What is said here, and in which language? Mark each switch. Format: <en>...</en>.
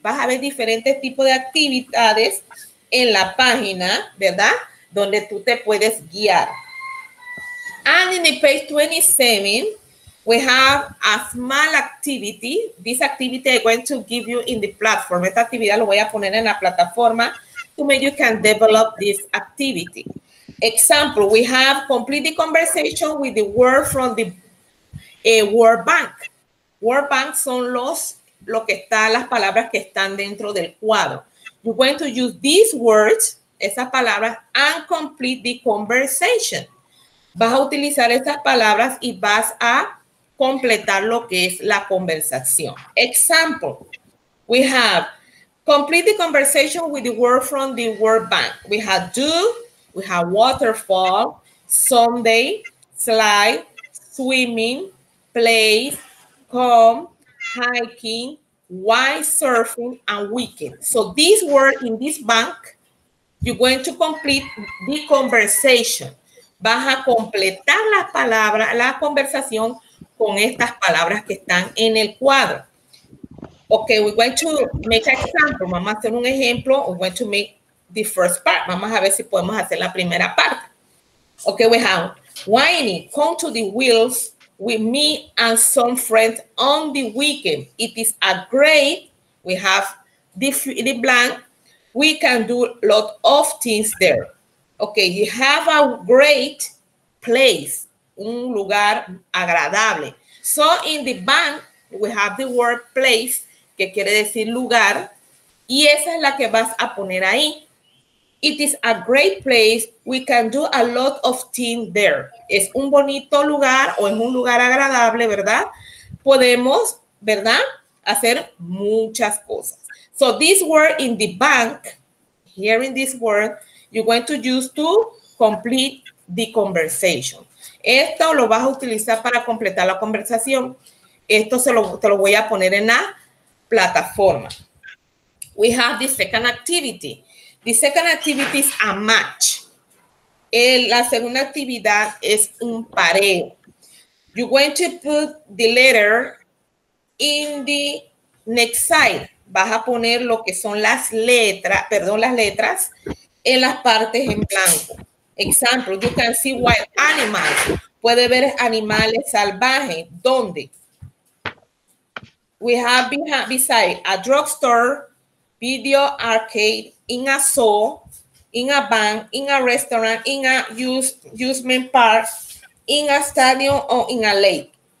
<es>Vas a ver diferentes tipos de actividades en la página, ¿verdad? Donde tú te puedes guiar.</es> <en>And in the page 27, we have a small activity. This activity I'm going to give you in the platform.</en> <es>Esta actividad lo voy a poner en la plataforma</es> <en>to make you can develop this activity. Example, we have complete the conversation with the word from the word bank.</en> <es>Word bank son los, lo que está, las palabras que están dentro del cuadro.</es> <en>You're going to use these words,</en> <es>esas palabras,</es> <en>and complete the conversation.</en> <es>Vas a utilizar esas palabras y vas a completar lo que es la conversación.</es> <en>Example, we have complete the conversation with the word from the word bank. We have do, we have waterfall, Sunday, slide, swimming, play, come, hiking, white surfing, and weekend. So this word in this bank, you're going to complete the conversation.</en> <es>Vas a completar la palabra, la conversación, con estas palabras que están en el cuadro.</es> <en>Ok, we're going to make an example.</en> <es>Vamos a hacer un ejemplo.</es> <en>We're going to make the first part.</en> <es>Vamos a ver si podemos hacer la primera parte.</es> <en>Ok, we have Winnie, come to the wheels with me and some friends on the weekend. It is a great, we have the blank. We can do a lot of things there. Ok, you have a great place.</en> <es>Un lugar agradable.</es> <en>So in the bank, we have the word place,</en> <es>que quiere decir lugar, y esa es la que vas a poner ahí.</es> <en>It is a great place. We can do a lot of things there.</en> <es>Es un bonito lugar o es un lugar agradable, ¿verdad? Podemos, ¿verdad?, hacer muchas cosas.</es> <en>So this word in the bank, here in this word, you're going to use to complete the conversation.</en> <es>Esto lo vas a utilizar para completar la conversación. Esto te lo voy a poner en la plataforma.</es> <en>We have the second activity. The second activity is a match.</en> <es>La segunda actividad es un pareo.</es> <en>You're going to put the letter in the next side.</en> <es>Vas a poner lo que son las letras en las partes en blanco.</es> <en>Example, you can see wild animals.</en> <es>Puede ver animales salvajes. ¿Dónde?</es> <en>We have beside a drugstore, video arcade, in a zoo, in a bank, in a restaurant, in a amusement park, in a stadium, or in a lake.</en>